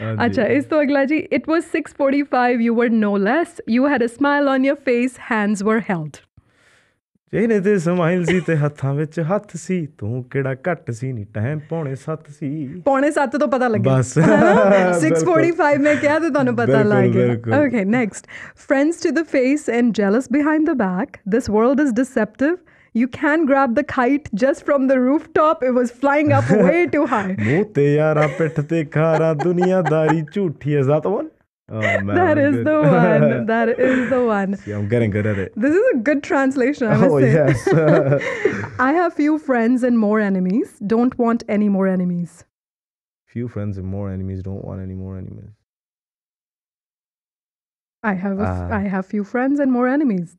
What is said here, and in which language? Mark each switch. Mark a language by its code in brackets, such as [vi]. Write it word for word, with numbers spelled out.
[pa] ਅੱਛਾ, ਇਸ ਤੋਂ ਅਗਲਾ ਜੀ, [en] it was six forty-five, you were no less, you had a smile on your face, hands were held. [pa] ਜਿਹਨੇ ਤੇ ਸਮਾਈਲ ਸੀ ਤੇ ਹੱਥਾਂ ਵਿੱਚ ਹੱਥ ਸੀ, ਤੂੰ ਕਿਹੜਾ ਘੱਟ ਸੀ, ਨੀ ਟਾਈਮ ਪੌਣੇ ਸੱਤ ਸੀ। ਪੌਣੇ ਸੱਤ ਤੋਂ ਪਤਾ ਲੱਗਿਆ ਬਸ, [en] six forty-five [pa] ਮੈਂ ਕਿਹਾ ਤੇ ਤੁਹਾਨੂੰ ਪਤਾ ਲੱਗ ਗਿਆ। [en] Okay next, friends to the face and jealous behind the back, this world is deceptive, you can grab the kite just from the rooftop, it was flying up way too high. [pa] ਮੂੰਹ ਤੇ ਯਾਰਾ ਪਿੱਠ ਤੇ ਖਾਰਾ, ਦੁਨੀਆਦਾਰੀ ਝੂਠੀ ਹੈ, [en] that one. Oh, man. That is the one. That is the one. See, I'm getting good at it. This is a good translation, I must oh, say. Yes. I have few friends and more enemies. Don't want any more enemies. Few friends and more enemies. Don't want any more enemies. I have a f- uh, I have few friends and more enemies.